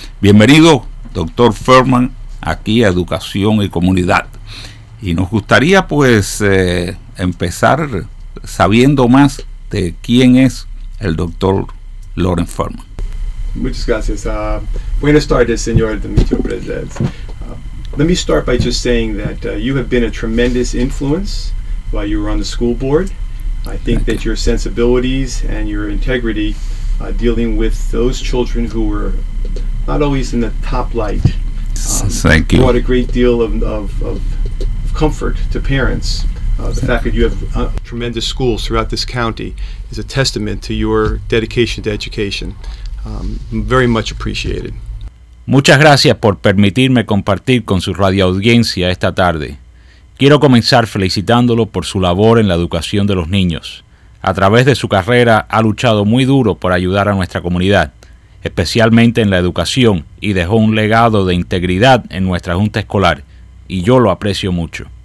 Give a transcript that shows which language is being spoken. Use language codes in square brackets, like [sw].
[es] Bienvenido, doctor Furman, aquí a Educación y Comunidad. Y nos gustaría, pues, empezar sabiendo más de quién es el doctor Loren Furman. Muchas gracias. Buenas tardes, señor Dimitri Presidente. [en] Let me start by just saying that you have been a tremendous influence while you were on the school board. I think that your sensibilities and your integrity dealing with those children who were not always in the top light brought a great deal of comfort to parents. The fact that you have tremendous schools throughout this county is a testament to your dedication to education. Very much appreciated. [es] Muchas gracias por permitirme compartir con su radioaudiencia esta tarde. Quiero comenzar felicitándolo por su labor en la educación de los niños. A través de su carrera ha luchado muy duro por ayudar a nuestra comunidad, especialmente en la educación, y dejó un legado de integridad en nuestra junta escolar, y yo lo aprecio mucho.